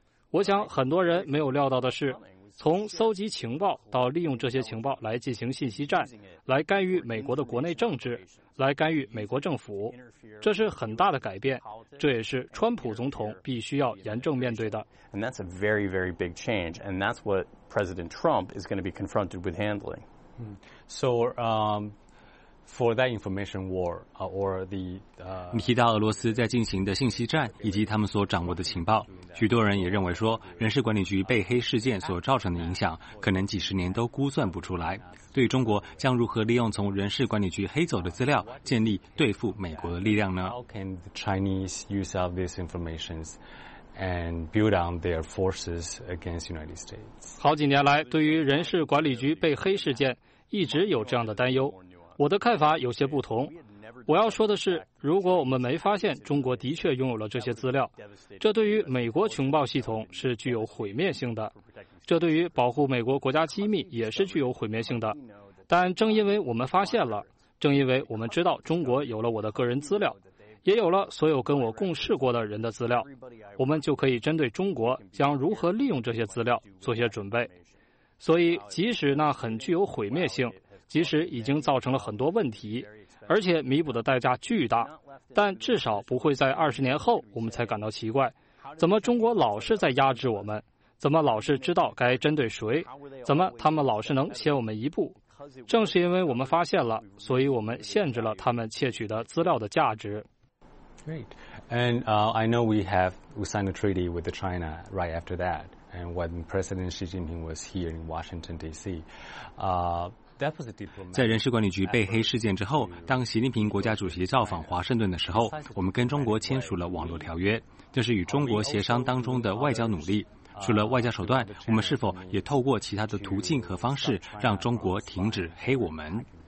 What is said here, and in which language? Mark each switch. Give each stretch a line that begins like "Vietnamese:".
Chinese: 我想很多人没有料到的是，从搜集情报到利用这些情报来进行信息战，来干预美国的国内政治，来干预美国政府，这是很大的改变，这也是川普总统必须要严正面对的。
English: And that's a very, very big change, and that's what President Trump is going to be confronted with handling. So, for that information war, or the
Chinese: 你提到俄罗斯在进行的信息战以及他们所掌握的情报，许多人也认为说，人事管理局被黑事件所造成的影响，可能几十年都估算不出来。对中国将如何利用从人事管理局黑走的资料，建立对付美国的力量呢
English: ？How can the Chinese use of these informations and build on their forces against United States.
Chinese: 好几年来，对于人事管理局被黑事件，一直有这样的担忧。我的看法有些不同。我要说的是，如果我们没发现中国的确拥有了这些资料，这对于美国情报系统是具有毁灭性的，这对于保护美国国家机密也是具有毁灭性的。但正因为我们发现了，正因为我们知道中国有了我的个人资料，也有了所有跟我共事过的人的资料，我们就可以针对中国将如何利用这些资料做些准备。所以即使那很具有毁灭性，即使已经造成了很多问题，而且弥补的代价巨大，但至少不会在20年后我们才感到奇怪，怎么中国老是在压制我们，怎么老是知道该针对谁，怎么他们老是能先我们一步。正是因为我们发现了，所以我们限制了他们窃取的资料的价值。
English: Great. And I know we signed a treaty with China right after that. And when President Xi Jinping was here in Washington, D.C.,
Chinese: 在人事管理局被黑事件之后，当习近平国家主席造访华盛顿的时候，我们跟中国签署了网络条约，这是与中国协商当中的外交努力。除了外交手段，我们是否也透过其他的途径和方式让中国停止黑我们？